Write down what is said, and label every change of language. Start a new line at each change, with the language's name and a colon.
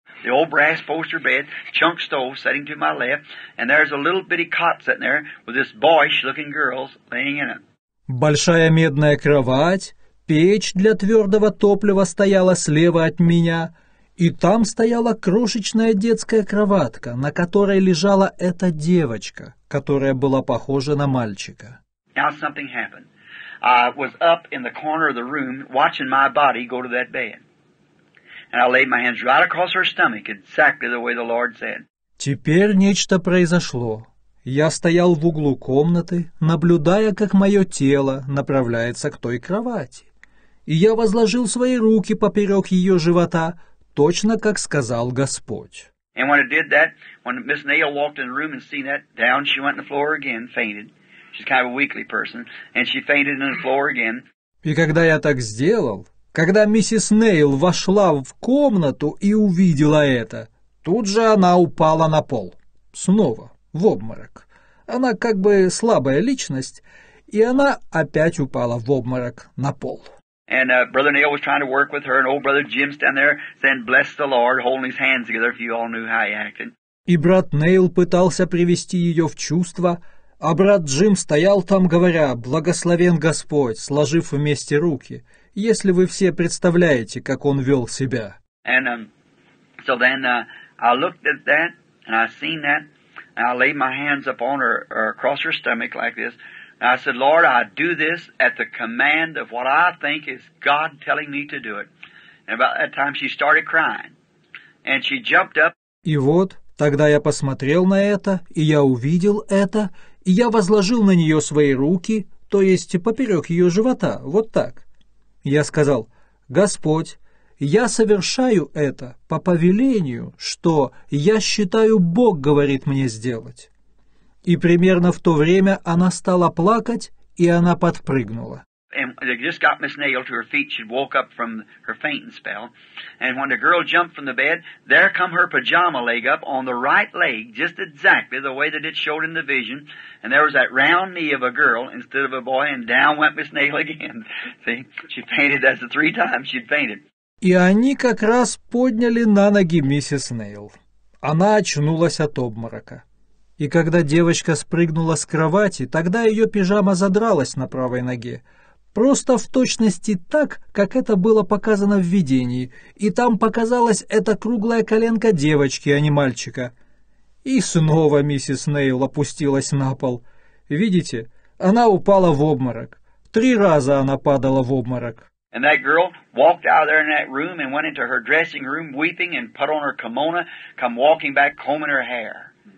English: The old brass poster bed, chunk stove sitting to my left, and there's a little bitty cot sitting there with this boyish-looking girl laying in it.
Russian: Большая медная кровать, печь для твердого топлива стояла слева от меня, и там стояла крошечная детская кроватка, на которой лежала эта девочка, которая была похожа на мальчика.
English: Now something happened. I was up in the corner of the room watching my body go to that bed. And I laid my hands right across her stomach, exactly the way the Lord said.
Russian: Теперь нечто произошло. Я стоял в углу комнаты, наблюдая, как мое тело направляется к той кровати. И я возложил свои руки поперек ее живота, точно как сказал Господь.
English: And when I did that, when Miss Neil walked in the room and seen that, down she went on the floor again, fainted. She's kind of a weakly person, and she fainted on the floor again.
Russian: И когда я так сделал, когда миссис Нейл вошла в комнату и увидела это, тут же она упала на пол. Снова, в обморок. Она как бы слабая личность, и она опять упала в обморок на пол.
English: And brother Nail was trying to work with her, and old brother Jim stand there saying, bless the Lord, holding his hands together, if you all knew how he acted.
Russian: И брат Нейл пытался привести ее в чувство, а брат Джим стоял там, говоря, благословен Господь, сложив вместе руки. Если вы все представляете, как он вел себя.
English: And so then I looked at that, and I seen that, and I laid my hands upon her, or across her stomach like this, and I said, Lord, I do this at the command of what I think is God telling me to do it. And about that time she started crying, and she jumped up.
Russian: И вот, тогда я посмотрел на это, и я увидел это, и я возложил на нее свои руки, то есть поперек ее живота, вот так. Я сказал, «Господь, я совершаю это по повелению, что я считаю, Бог говорит мне сделать». И примерно в то время она стала плакать, и она подпрыгнула.
English: And they just got Miss Nail to her feet, she woke up from her fainting spell. And when the girl jumped from the bed, there come her pajama leg up on the right leg, just exactly the way that it showed in the vision. And there was that round knee of a girl instead of a boy, and down went Miss Nail again. See, she fainted, that's the three times she'd fainted.
Russian: И они как раз подняли на ноги миссис Нейл. Она очнулась от обморока. И когда девочка спрыгнула с кровати, тогда ее пижама задралась на правой ноге. Просто в точности так, как это было показано в видении, и там показалась эта круглая коленка девочки, а не мальчика. И снова миссис Нейл опустилась на пол. Видите, она упала в обморок. Три раза она падала в обморок.
English: And that girl walked out of there in that room and went into her dressing room weeping and put on her kimono, come walking back combing her hair.